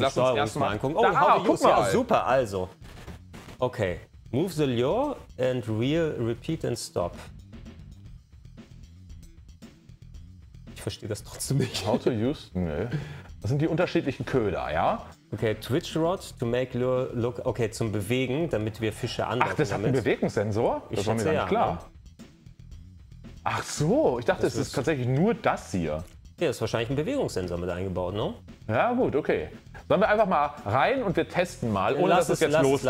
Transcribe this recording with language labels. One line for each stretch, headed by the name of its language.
German: lass uns erstmal angucken. Oh, guck mal. Ja,
English: super, also. Okay. Move the lure and reel, repeat and stop.
German: Ich verstehe das trotzdem nicht.
English: How to use? Nö.
German: Das sind die unterschiedlichen Köder, ja?
English: Okay, Twitch Rod to make lure look.
German: Okay, zum Bewegen, damit wir Fische anlocken. Ach, das hat einen Bewegungssensor? Das war mir dann klar. Ach so, ich dachte, es ist tatsächlich nur das hier. Ja, ist wahrscheinlich ein Bewegungssensor mit eingebaut, ne? Ja, gut, okay. Sollen wir einfach mal rein und wir testen mal, ohne dass es jetzt losgeht.